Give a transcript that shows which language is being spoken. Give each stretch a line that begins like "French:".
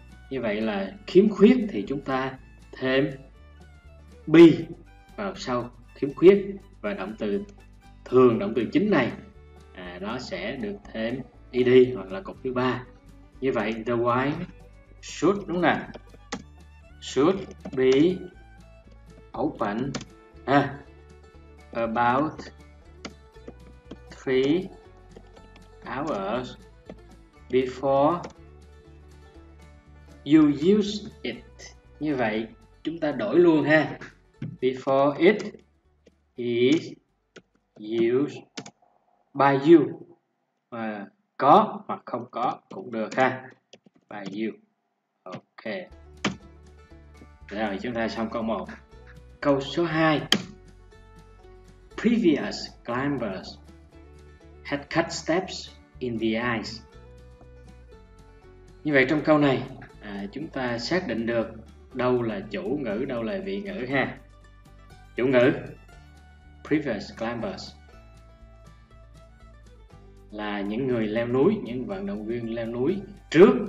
Vietnamese: Như vậy là khiếm khuyết thì chúng ta thêm be vào sau khiếm khuyết, và động từ thường, động từ chính này nó sẽ được thêm ed hoặc là cột thứ 3. Như vậy
English: the wine should,
Vietnamese: đúng không nào?
English: Should be open about 3 hours before you use it.
Vietnamese: Như vậy chúng ta đổi luôn ha.
English: Before it is used by you.
Vietnamese: Có hoặc không có cũng được ha.
English: By you.
Vietnamese: Ok. Rồi chúng ta xong câu 1. Câu số 2.
English: Previous climbers had cut steps in the ice.
Vietnamese: Như vậy trong câu này chúng ta xác định được đâu là chủ ngữ, đâu là vị ngữ ha. Chủ ngữ
English: previous climbers
Vietnamese: là những người leo núi, những vận động viên leo núi trước.